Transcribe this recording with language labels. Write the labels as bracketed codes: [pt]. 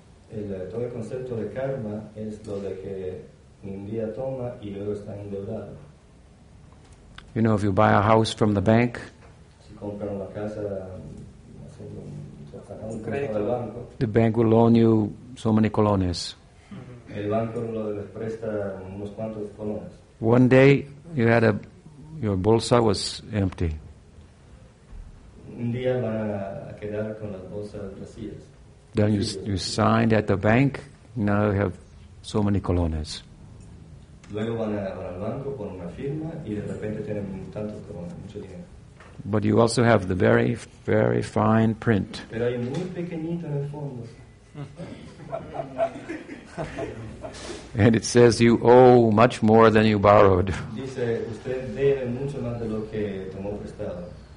[es] Todo el concepto de karma es lo de que un día toma y luego está endeudado. [en] You know, if you buy a house from the bank, [es] si compran una casa, un crédito del banco, [en] the bank will loan you so many colones. [es] El banco lo les presta unos cuantos colones. [en] One day, you had your bolsa was empty. [es] Un día van a quedar con las bolsas vacías. [en] Then you signed at the bank, now you have so many colones. [es] Luego van al banco por una firma y de repente tienen tantos colones, mucho dinero. [en] But you also have the very, very fine print. [es] Pero hay muy pequeñito en el fondo. [en] And it says you owe much more than you borrowed. [es] Dice, usted debe mucho más de lo que tomó prestado.